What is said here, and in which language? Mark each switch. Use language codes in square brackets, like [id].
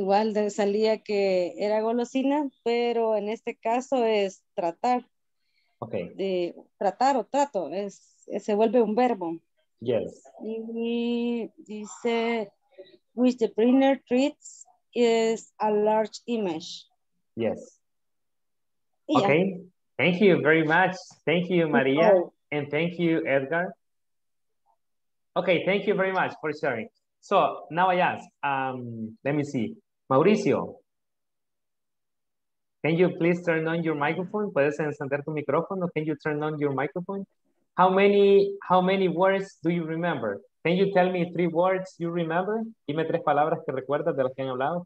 [es] igual de salía que era golosina, pero en este caso es tratar. Okay. De tratar o trato, es se vuelve un verbo. [en] Yes. [es] Y dice, [en] which the printer treats is a large image. Yes. Yeah. Okay. Thank you very much. Thank you, Maria. Oh. And thank you, Edgar. Okay, thank you very much for sharing. So now I ask, let me see. Mauricio, can you please turn on your microphone? [es] ¿Puedes encender tu micrófono? [en] Can you turn on your microphone? How many words do you remember? Can you tell me three words you remember? [es] Dime tres palabras que recuerdas de las que han hablado.